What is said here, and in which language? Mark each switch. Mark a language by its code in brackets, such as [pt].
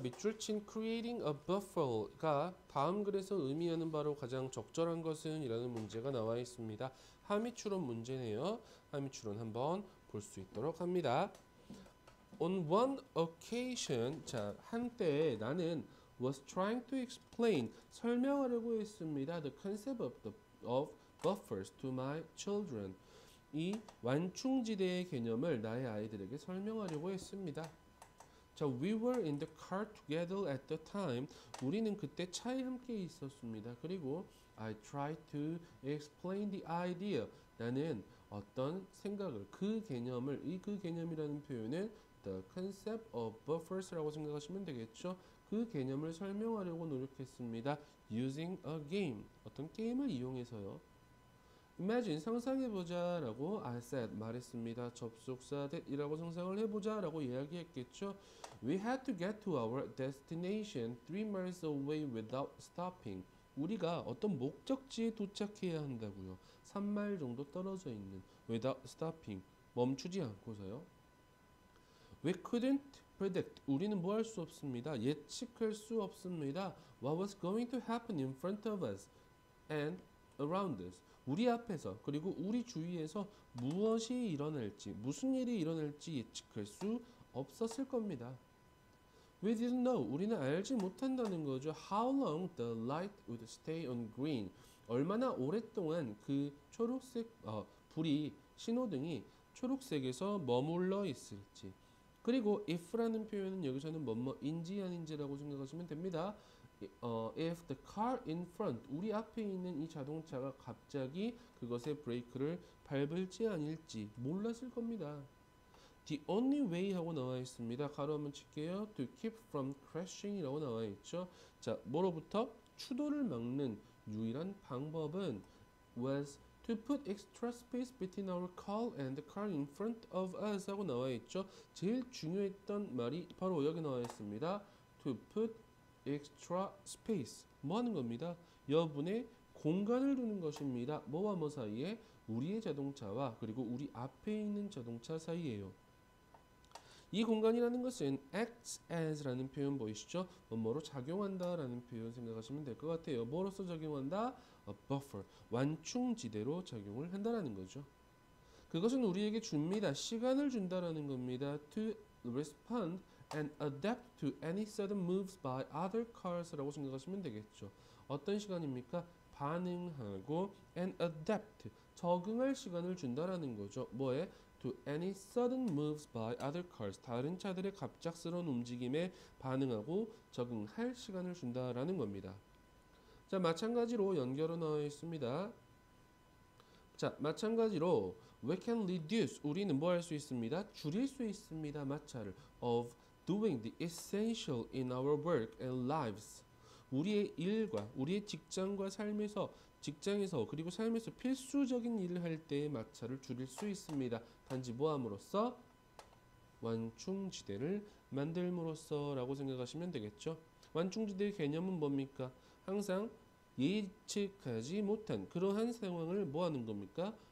[ko] 밑줄 친 [en] Creating a Buffer [ko] 가 다음 글에서 의미하는 바로 가장 적절한 것은? 이라는 문제가 나와 있습니다. 하미추론 문제네요. 하미추론 한번 볼수 있도록 합니다. [en] On one occasion, [ko] 자, 한때 나는 [en] was trying to explain, [ko] 설명하려고 했습니다. [en] The concept of buffers to my children. [ko] 이 완충지대의 개념을 나의 아이들에게 설명하려고 했습니다. [en] 자, we were in the car together at the time. [ko] 우리는 그때 차에 함께 있었습니다. [en] 그리고 I tried to explain the idea. [ko] 나는 어떤 생각을, 그 개념을, 이그 개념이라는 표현은 [en] the concept of buffers [ko] 라고 생각하시면 되겠죠. 그 개념을 설명하려고 노력했습니다. [en] Using a game. [ko] 어떤 게임을 이용해서요. [en] Imagine, [ko] 상상해보자 라고 [en] I said, [ko] 말했습니다. 접속사 that이라고 상상을 해보자 라고 이야기했겠죠. [en] We had to get to our destination 3 miles away without stopping. [ko] 우리가 어떤 목적지에 도착해야 한다고요. 3마일 정도 떨어져 있는 [en] without stopping, [ko] 멈추지 않고서요. [en] We couldn't predict. [ko] 우리는 뭐할수 없습니다. 예측할 수 없습니다. [en] What was going to happen in front of us and around us. [ko] 우리 앞에서 그리고 우리 주위에서 무엇이 일어날지, 무슨 일이 일어날지 예측할 수 없었을 겁니다. [en] We didn't know. [ko] 우리는 알지 못한다는 거죠. [en] How long the light would stay on green? [ko] 얼마나 오랫동안 그 초록색 불이 신호등이 초록색에서 머물러 있을지. 그리고 if라는 표현은 여기서는 뭐뭐인지 아닌지라고 생각하시면 됩니다. [en] If the car in front, [ko] 우리 앞에 있는 이 자동차가 갑자기 그것의 브레이크를 밟을지 아닐지 몰랐을 겁니다. [en] The only way [ko] 하고 나와 있습니다. 가로 한번 칠게요. [en] To keep from crashing [ko] 이라고 나와 있죠. 자, 뭐로부터? 추돌을 막는 유일한 방법은 [en] was to put extra space between our car and the car in front of us [ko] 하고 나와 있죠. 제일 중요했던 말이 바로 여기 나와 있습니다. [en] To put extra space. [ko] 뭐 하는 겁니다? 여분의 공간을 두는 것입니다. 뭐와 뭐 사이에? 우리의 자동차와 그리고 우리 앞에 있는 자동차 사이에요. 이 공간이라는 것은 [en] acts as [ko] 라는 표현 보이시죠? 뭐뭐로 작용한다라는 표현 생각하시면 될것 같아요. 뭐로써 작용한다? [en] A buffer. [ko] 완충지대로 작용을 한다라는 거죠. 그것은 우리에게 줍니다. 시간을 준다라는 겁니다. [en] To respond and adapt to any sudden moves by other cars [ko] 라고 생각하시면 되겠죠. 어떤 시간입니까? 반응하고 [en] and adapt [ko] 적응할 시간을 준다라는 거죠. 뭐에? [en] To any sudden moves by other cars. [ko] 다른 차들의 갑작스러운 움직임에 반응하고 적응할 시간을 준다라는 겁니다. 자, 마찬가지로 연결어 나와 있습니다. 자, 마찬가지로 [en] we can reduce [ko] 우리는 뭐할수 있습니다? 줄일 수 있습니다. 마찰을 [en] of doing the essential in our work and lives. [ko] 우리의 일과 우리의 직장과 삶에서 직장에서 그리고 삶에서 필수적인 일을 할 때의 마찰을 줄일 수 있습니다. 단지 뭐 함으로써 완충지대를 만들므로써라고 생각하시면 되겠죠. 완충지대의 개념은 뭡니까? 항상 예측하지 못한 그러한 상황을 뭐 하는 겁니까?